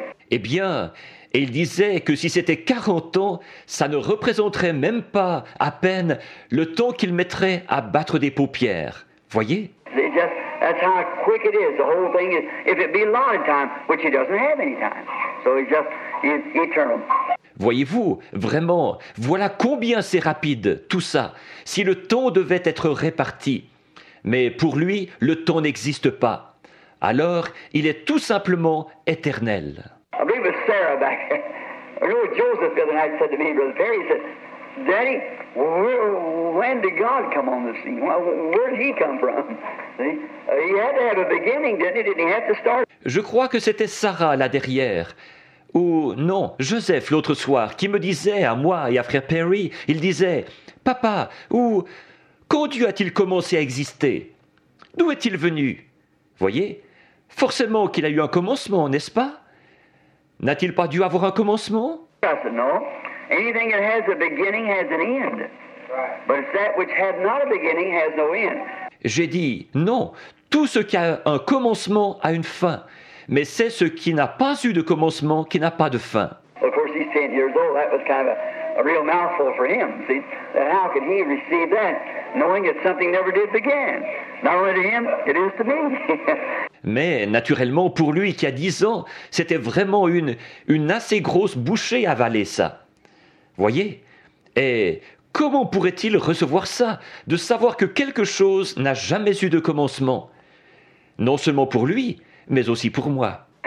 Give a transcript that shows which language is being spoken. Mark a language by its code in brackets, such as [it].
[fr] Eh bien, et il disait que si c'était 40 ans, ça ne représenterait même pas à peine le temps qu'il mettrait à battre des paupières. Voyez? [en] That's how quick it is. The whole thing is, if it be allotted time, which he doesn't have any time. So he's just, he's eternal. [fr] Voyez-vous, vraiment, voilà combien c'est rapide, tout ça, si le temps devait être réparti. Mais pour lui, le temps n'existe pas. Alors, il est tout simplement éternel. [en] I believe it's Sarah back there. I know Joseph the other night said to me, Brother Perry, he said, Daddy, when did God come on the scene? Where did he come from? See? He had to have a beginning, didn't he? Didn't he have to start? [fr] Je crois que c'était Sarah là derrière. Ou non, Joseph l'autre soir, qui me disait à moi et à frère Perry, il disait, Papa, ou quand Dieu a-t-il commencé à exister? D'où est-il venu? Voyez, forcément qu'il a eu un commencement, n'est-ce pas? N'a-t-il pas dû avoir un commencement? Non. [en] Anything that has a beginning has an end. But it's that which had not a beginning has no end. [fr] J'ai dit, non, tout ce qui a un commencement a une fin. Mais c'est ce qui n'a pas eu de commencement qui n'a pas de fin. [en] Of course, he's 10 years old. That was kind of a real mouthful for him. See, how could he receive that, knowing that something never did begin? Not only to him, it is to me. [fr] Mais naturellement, pour lui qui a 10 ans, c'était vraiment une assez grosse bouchée à avaler ça. Voyez, et comment pourrait-il recevoir ça, de savoir que quelque chose n'a jamais eu de commencement, non seulement pour lui, mais aussi pour moi.